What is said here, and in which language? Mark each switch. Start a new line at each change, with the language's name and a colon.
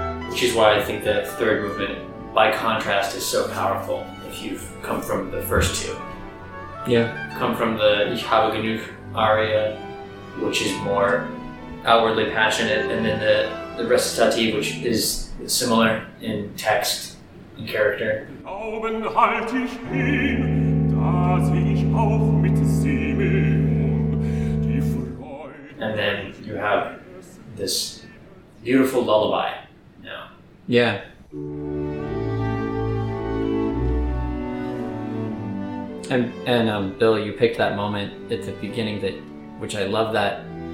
English: Which is why I think the third movement, by contrast, is so powerful if you've come from the first two. Yeah. Come from the Ich habe genug aria, which is more outwardly passionate, and then the recitative, which is similar in text and character.
German: Glauben halt ich hin, da seh ich auf mit Simeon die Freude.
English: And then you have this beautiful lullaby. Yeah. And Bill, you picked that moment at the beginning which I love that.